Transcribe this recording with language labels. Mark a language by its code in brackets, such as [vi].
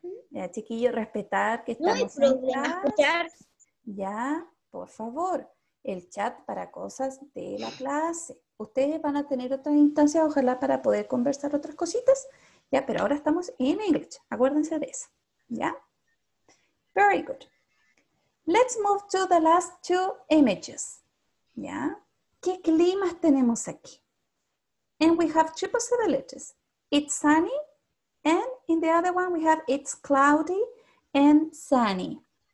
[es] Ya, chiquillo, respetar que estamos no hay problema, en clase. Escuchar. Ya, por favor, el chat para cosas de la clase. Ustedes van a tener otras instancias, ojalá, para poder conversar otras cositas. Ya, pero ahora estamos en English. Acuérdense de eso. ¿Ya? [en] Very good. Let's move to the last two images. [es] ¿Ya? ¿Qué climas tenemos aquí? [en] And we have two possibilities. It's sunny. And in the other one we have it's cloudy and sunny.